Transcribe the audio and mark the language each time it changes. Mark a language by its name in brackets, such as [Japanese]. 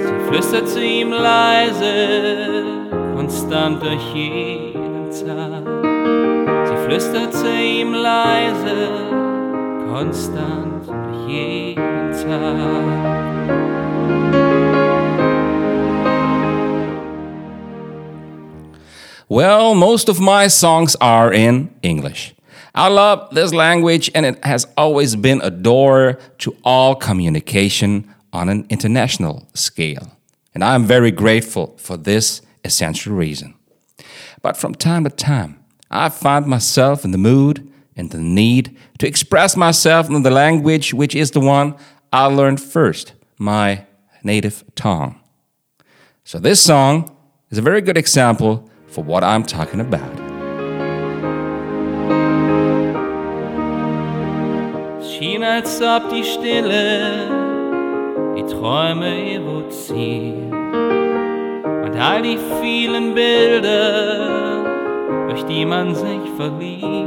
[German] Sie flüsterte ihm leise, konstant durch jeden Tag. Sie flüsterte ihm leise, konstant jeden Tag. [English] Well, most of my songs are in English. I love this language, and it has always been a door to all communication on an international scale. And I am very grateful for this essential reason. But from time to time, I find myself in the mood and the need to express myself in the language which is the one I learned first, my native tongue. So this song is a very good example for what I'm talking about. [German] Schien als ob die Stille die Träume evoziert und all die vielen Bilder, durch die man sich verliebt.